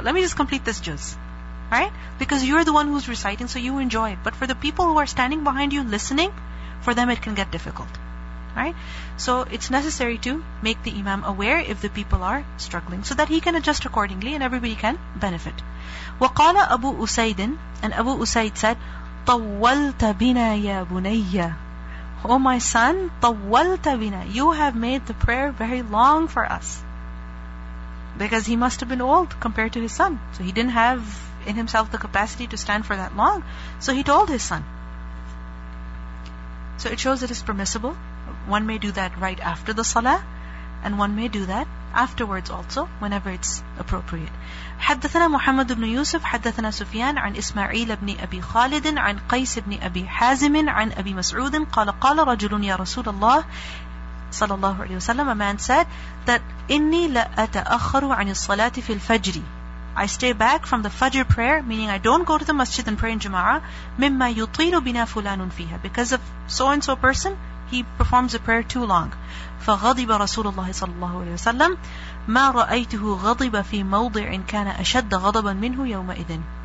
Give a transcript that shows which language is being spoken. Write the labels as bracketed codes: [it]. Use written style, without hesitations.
[en] Let me just complete this juz. Right? Because you're the one who's reciting, so you enjoy it. But for the people who are standing behind you listening, for them it can get difficult. Right? So it's necessary to make the Imam aware if the people are struggling, so that he can adjust accordingly and everybody can benefit. [ar] وقال أبو أسيد, [en] and Abu Usaid said, [ar] طولت بنا يا بني. [en] Oh my son, [ar] طولت بنا. [en] You have made the prayer very long for us. Because he must have been old compared to his son. So he didn't have in himself the capacity to stand for that long. So he told his son. So it shows it is permissible. One may do that right after the salah, and one may do that afterwards also, whenever it's appropriate. [ar] حدثنا محمد بن يوسف حدثنا سفيان عن إسماعيل بن أبي خالد عن قيس بن أبي حازم عن أبي مسعود قال قال رجل يا رسول الله صلى الله عليه وسلم. [en] A man said that [ar] إني لأتأخر عن الصلاة في الفجر. [en] I stay back from the Fajr prayer, meaning I don't go to the masjid and pray in Jama'ah. [ar] مما يطيل بنا فلان فيها. [en] Because of so and so person, he performs a prayer too long. [ar] فَغَضِبَ رَسُولُ اللَّهِ صَلَّى اللَّهُ عَلَيْهِ وَسَلَّمْ مَا رَأَيْتُهُ غَضِبَ فِي مَوْضِعٍ كَانَ أَشَدَّ غَضَبًا مِنْهُ يَوْمَئِذٍ.